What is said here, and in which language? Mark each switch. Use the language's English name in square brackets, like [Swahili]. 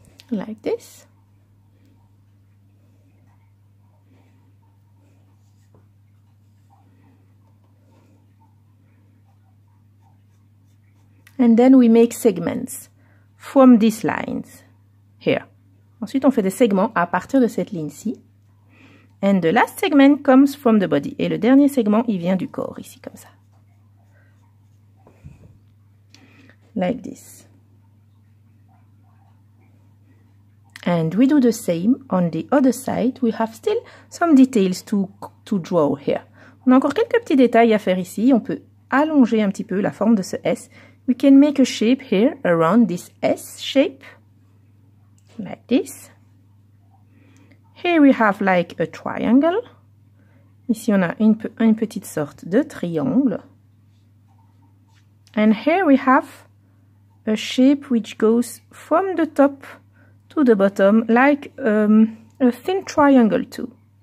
[English] like this. And then we make segments from these lines here. [French] Ensuite, on fait des segments à partir de cette ligne-ci. [English] And the last segment comes from the body. [French] Et le dernier segment, il vient du corps, ici, comme ça. [English] Like this. And we do the same on the other side. We have still some details to draw here. [French] On a encore quelques petits détails à faire ici. On peut allonger un petit peu la forme de ce S. [English] We can make a shape here around this S shape. Like this. Here we have like a triangle. [French] Ici on a une petite sorte de triangle. [English] And here we have a shape which goes from the top to the bottom, like a thin triangle too.